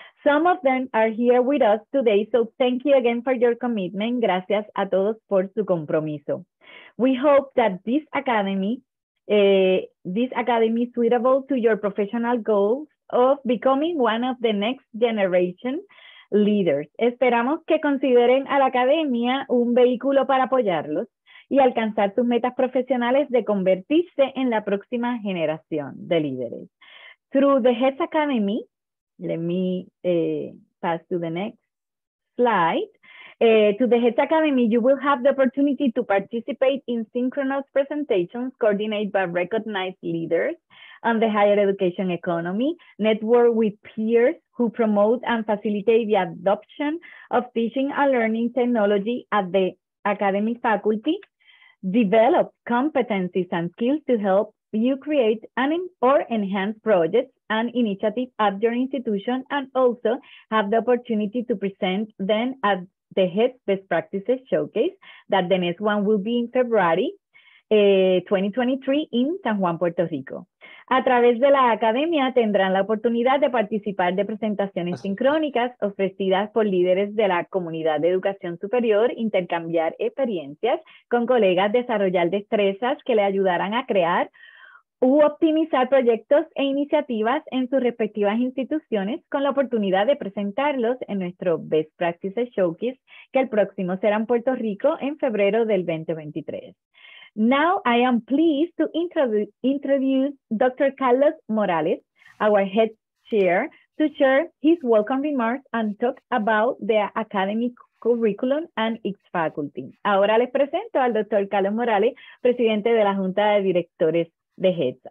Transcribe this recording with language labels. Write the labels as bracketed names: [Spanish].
[English] Some of them are here with us today, so thank you again for your commitment. [Spanish] Gracias a todos por su compromiso. [English] We hope that this academy is suitable to your professional goals of becoming one of the next generation leaders. [Spanish] Esperamos que consideren a la academia un vehículo para apoyarlos y alcanzar sus metas profesionales de convertirse en la próxima generación de líderes. [English] Through the HETS Academy, let me pass to the next slide. To the HETS Academy, you will have the opportunity to participate in synchronous presentations coordinated by recognized leaders on the higher education economy, network with peers who promote and facilitate the adoption of teaching and learning technology at the academic faculty, develop competencies and skills to help you create or enhance projects and initiatives at your institution, and also have the opportunity to present them at the HETS Best Practices Showcase, that the next one will be in February 2023 in San Juan, Puerto Rico. [Spanish] A través de la academia tendrán la oportunidad de participar de presentaciones sincrónicas ofrecidas por líderes de la comunidad de educación superior, intercambiar experiencias con colegas, desarrollar destrezas que le ayudarán a crear u optimizar proyectos e iniciativas en sus respectivas instituciones, con la oportunidad de presentarlos en nuestro Best Practices Showcase, que el próximo será en Puerto Rico en febrero del 2023. [English] Now I am pleased to introduce Dr. Carlos Morales, our head chair, to share his welcome remarks and talk about the academic curriculum and its faculty. [Spanish] Ahora les presento al Dr. Carlos Morales, presidente de la Junta de Directores de HETS.